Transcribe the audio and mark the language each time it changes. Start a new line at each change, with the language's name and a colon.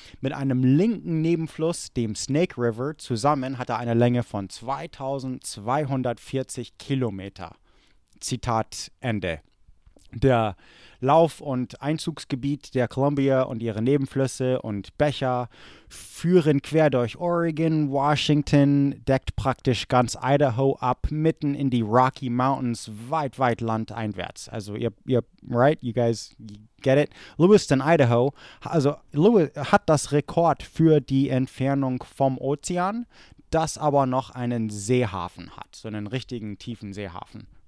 German: Mit einem linken Nebenfluss, dem Snake River, zusammen hat er eine Länge von 2240 Kilometer. Zitat Ende. der Lauf- und Einzugsgebiet der Columbia und ihre Nebenflüsse und Becher führen quer durch Oregon, Washington, deckt praktisch ganz Idaho ab, mitten in die Rocky Mountains, weit, weit landeinwärts. Also ihr,
English: right, you guys, you get it?
German: Lewiston, Idaho, also Lewis hat das Rekord für die Entfernung vom Ozean, das aber noch einen Seehafen hat, so einen richtigen tiefen Seehafen.